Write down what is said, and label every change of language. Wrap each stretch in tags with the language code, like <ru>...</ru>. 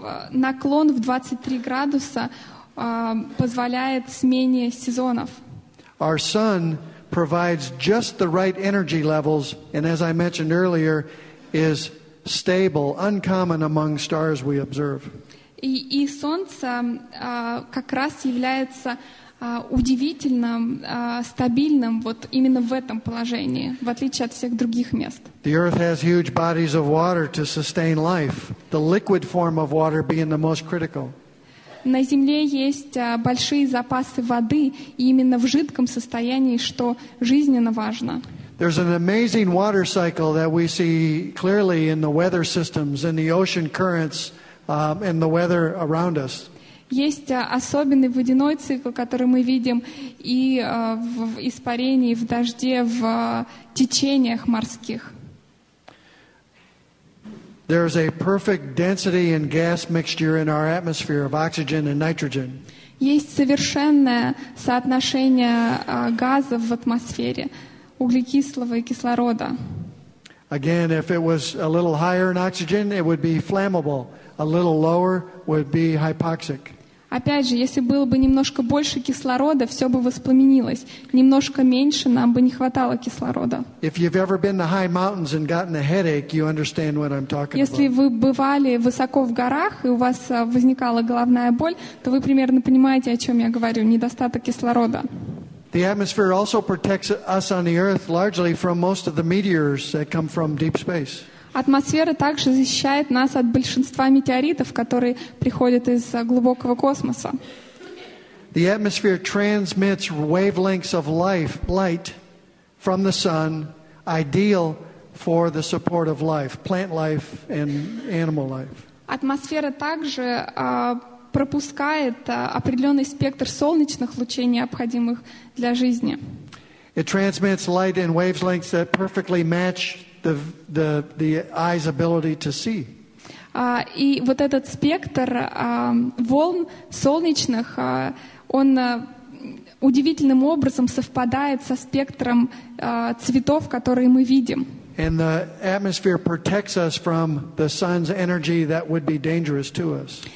<ru>Наклон в 23 градуса позволяет смене сезонов.</ru> <en>Our sun provides just the right energy levels, and as I mentioned earlier, is stable, uncommon among stars we observe.</en> <ru>И Солнце как раз является удивительным, стабильным вот именно в этом положении, в отличие от всех других мест.</ru> <en>The Earth has huge bodies of water to sustain life, the liquid form of water being the most critical.</en> <ru>На Земле есть большие запасы воды, и именно в жидком состоянии, что жизненно важно.</ru> <en>There's an amazing water cycle that we see clearly in the weather systems, in the ocean currents, and the weather around us.</en> <ru>Есть особенный водяной цикл, который мы видим и в испарении, в дожде, в течениях морских.</ru> <en>There's a perfect density and gas mixture in our atmosphere of oxygen and nitrogen.</en> <ru>Есть совершенное соотношение газов в атмосфере, углекислого и кислорода.</ru> <en>Again, if it was a little higher in oxygen, it would be flammable. A little lower would be hypoxic.</en> <ru>Опять же, если было бы немножко больше кислорода, все бы воспламенилось. Немножко меньше, нам бы не хватало кислорода.</ru> <en>If you've ever been to high mountains and gotten a headache, you understand what I'm talking about.</en> <ru>Если вы бывали высоко в горах и у вас возникала головная боль, то вы примерно понимаете, о чем я говорю. Недостаток кислорода.</ru> <en>The atmosphere also protects us on the Earth largely from most of the meteors that come from deep space.</en> <ru>Атмосфера также защищает нас от большинства метеоритов, которые приходят из глубокого космоса.</ru> <en>The atmosphere transmits wavelengths of life, light from the sun, ideal for the support of life, plant life and animal life.</en> <ru>Атмосфера также пропускает определенный спектр солнечных лучей, необходимых для жизни.</ru> <en>It transmits light in wavelengths that perfectly match the eye's ability to see.</en> <ru>И вот этот спектр волн солнечных, он удивительным образом совпадает со спектром цветов, которые мы видим.</ru> <en>And the atmosphere protects us from the sun's energy that would be dangerous to us.</en>